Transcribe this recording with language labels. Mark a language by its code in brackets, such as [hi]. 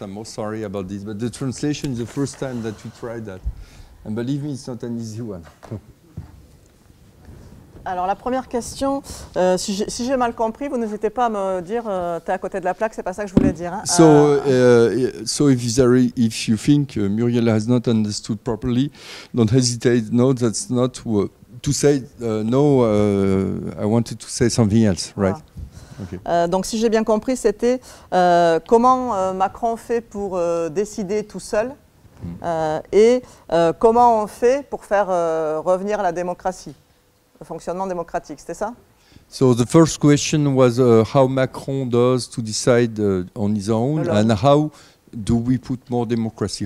[en] I'm more sorry about this, but the translation is the first time that we tried that. And believe me, it's not an easy one. [fr] Alors la première question, si j'ai mal compris, vous n'hésitez pas à me dire t'es à côté de la plaque, c'est pas ça que je voulais dire. Hein. [en] So if you think Muriel has not understood properly, don't hesitate. No, that's not to say no. I wanted to say something else, right? Ah. Okay. [fr] Donc si j'ai bien compris, c'était comment Macron fait pour décider tout seul et comment on fait pour faire revenir la démocratie. Fonctionnement démocratique, c'était ça? [en] So the first question was how Macron does to decide on his own, and how do we put more democracy?